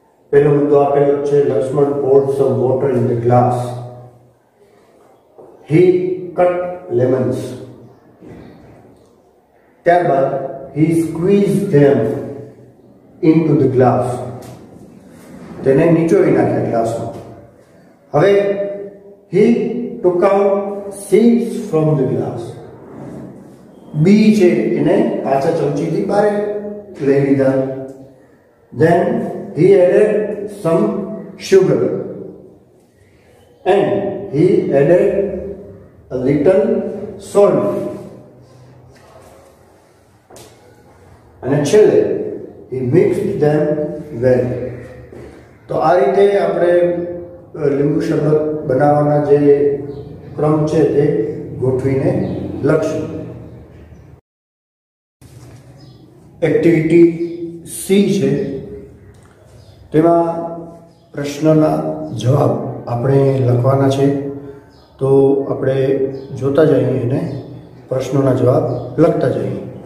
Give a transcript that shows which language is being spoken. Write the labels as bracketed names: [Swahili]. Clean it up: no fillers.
[Gujarati] પહેલો મુદ્દો આપેલો છે, [English] Lakshman poured some water in the glass, he cut lemons, ત્યારબાદ he squeeze them into the glass, [Gujarati] તેને નીચોવી નાખ્યા ગ્લાસમાં। [English] હવે He took out seeds from the glass. [Gujarati] B છે એને પાછા ચમચીથી બહાર લઈ લીધા। [English] Then he added some sugar and he added a little salt. [Gujarati] અને છેલ્લે [English] he mixed them well. [Gujarati] તો આ રીતે આપણે લીંબુ શરબત બનાવવાના જે ક્રમ છે તે ગોઠવીને લખશું। એક્ટિવિટી સી છે, તેમાં પ્રશ્નના જવાબ આપણે લખવાના છે, તો આપણે જોતા જઈએ અને પ્રશ્નોના જવાબ લખતા જઈએ।